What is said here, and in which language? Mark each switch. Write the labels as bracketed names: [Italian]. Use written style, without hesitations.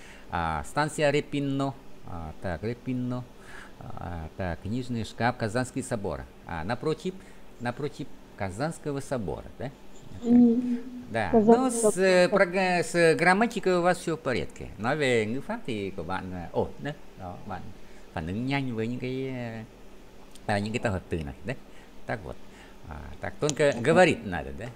[Russian] À, станция Репино, à, так Репино, à, так книжный шкаф Казанский собор. À, напротив Казанского собора, да? Да. Ну, с грамматикой у вас все в порядке. [Vietnamese] Nói về ngữ pháp thì của bạn ổn đấy. Đó, bạn phản ứng nhanh với những cái tập hợp từ này đấy. [Russian] Так вот. À, так только говорит надо, да?